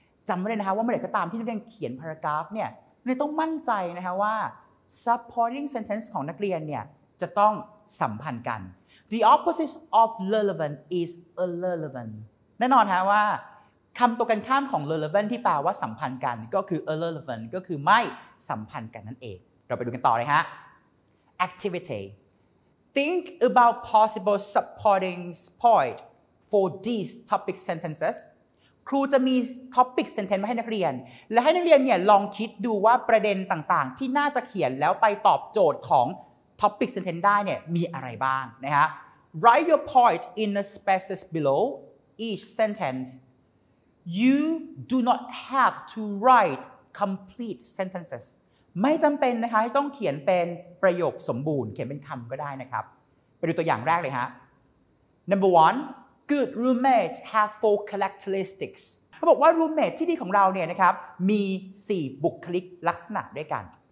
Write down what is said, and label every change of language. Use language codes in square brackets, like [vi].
[th] จำไว้เลยนะครับว่าเมื่อไหร่ก็ตามที่นักเรียนเขียนพารากราฟเนี่ยนักเรียนต้องมั่นใจนะครับว่า supporting sentence ของนักเรียนเนี่ยจะต้องสัมพันธ์กัน [en] the opposite of relevant is irrelevant [th] แน่นอนครับว่าคำตรงกันข้ามของ relevant ที่แปลว่าสัมพันธ์กันก็คือ irrelevant ก็คือไม่สัมพันธ์กันนั่นเองเราไปดูกันต่อเลยฮะ activity [en] Think about possible supporting point for these topic sentences. [th] ครูจะมี topic sentence มาให้นักเรียนและให้นักเรียนเนี่ยลองคิดดูว่าประเด็นต่างๆที่น่าจะเขียนแล้วไปตอบโจทย์ของ topic sentence ได้เนี่ยมีอะไรบ้างนะฮะ [en] Write your point in the spaces below each sentence. You do not have to write complete sentences. [th] ไม่จำเป็นนะคะต้องเขียนเป็นประโยคสมบูรณ์เขียนเป็นคำก็ได้นะครับไปดูตัวอย่างแรกเลยฮะ [en] Number one, good roommates have four characteristics [th] เขาบอกว่ารูมเมทที่ดีของเราเนี่ยนะครับมี4บุคลิกลักษณะด้วยกัน